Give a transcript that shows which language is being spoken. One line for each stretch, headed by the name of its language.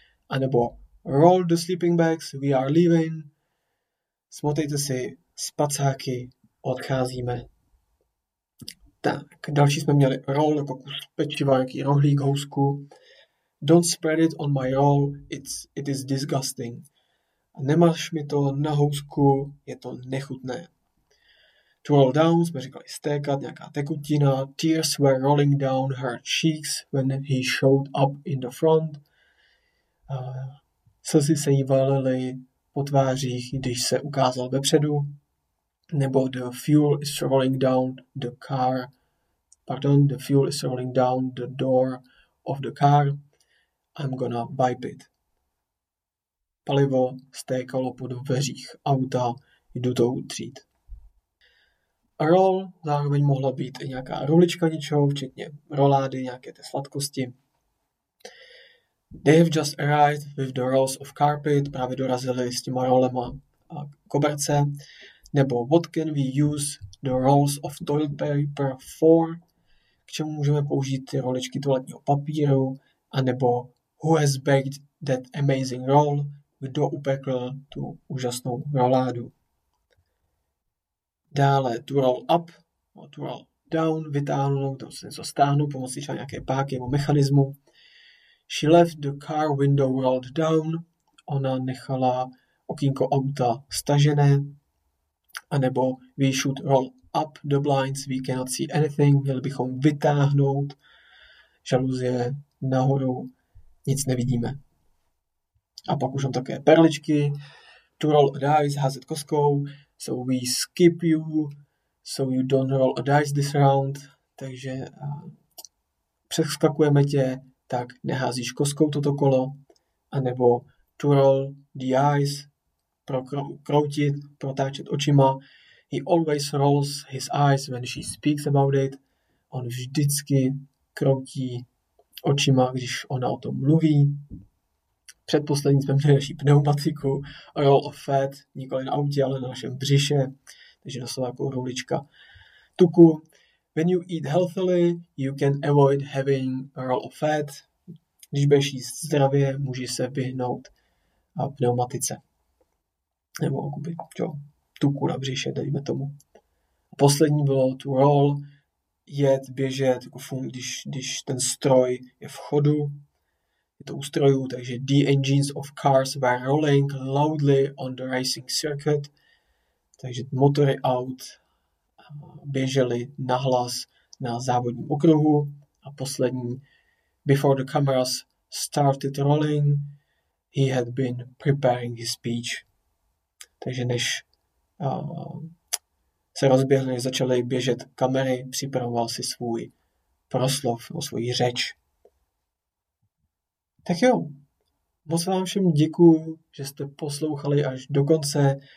Czech: A nebo
English: roll the sleeping bags, we are leaving.
Czech: Smotejte si spacáky, odcházíme. Tak, další jsme měli roll jako kus pečiva, jaký rohlík, housku.
English: Don't spread it on my roll, it is disgusting.
Czech: Nemaš mi to na housku, je to nechutné. To roll down, jsme říkali stékat, nějaká tekutina.
English: Tears were rolling down her cheeks when he showed up in the front.
Czech: Slzy se jí valily po tvářích, když se ukázal vepředu.
English: Nebo the fuel is rolling down the car. Pardon, the fuel is rolling down the door of the car. I'm gonna wipe it.
Czech: Palivo stékalo po dveřích auta, jdu to utřít. A roll zároveň mohla být i nějaká rulička něčeho, včetně rolády, nějaké té sladkosti.
English: They have just arrived with the rolls of carpet,
Czech: právě dorazili s těma rolema a koberce. Nebo
English: what can we use the rolls of toilet paper for?
Czech: K čemu můžeme použít ty roličky toaletního papíru? A nebo
English: who has baked that amazing roll?
Czech: Kdo upekl tu úžasnou roládu? Dále to roll up, to roll down, vytáhnout, to se něco stáhnu pomocí nějaké páky nebo mechanismu.
English: She left the car window rolled down,
Czech: ona nechala okýnko auta stažené, anebo
English: we should roll up the blinds, we cannot see anything,
Czech: měli bychom vytáhnout žaluzie nahoru, nic nevidíme. A pak už mám také perličky, to roll a dice, házet kostkou,
English: so we skip you, so you don't roll a dice this round,
Czech: takže přeskakujeme tě, tak neházíš kostkou toto kolo, anebo to roll the eyes, kroutit, protáčet očima.
English: He always rolls his eyes when she speaks about it.
Czech: On vždycky kroutí očima, když ona o tom mluví. Předposlední jsme měli naší pneumatiku, a roll of fat, nikoli na autě, ale na našem břiše, takže doslova jako rulička tuku.
English: When you eat healthily, you can avoid having a roll of fat.
Czech: Když budeš jíst zdravě, můžeš se vyhnout pneumatice. Nebo okupit tuku na břiše, dejme tomu. Poslední bylo to roll, jet, běžet, jako když ten stroj je v chodu, je to u strojů, takže
English: the engines of cars were rolling loudly on the racing circuit.
Czech: Takže motory aut běžely nahlas na závodním okruhu. A poslední,
English: before the cameras started rolling, he had been preparing his speech.
Czech: Takže než se rozběhli, začaly běžet kamery, připravoval si svůj proslov, no, svůj řeč. Tak jo, moc vám všem děkuju, že jste poslouchali až do konce.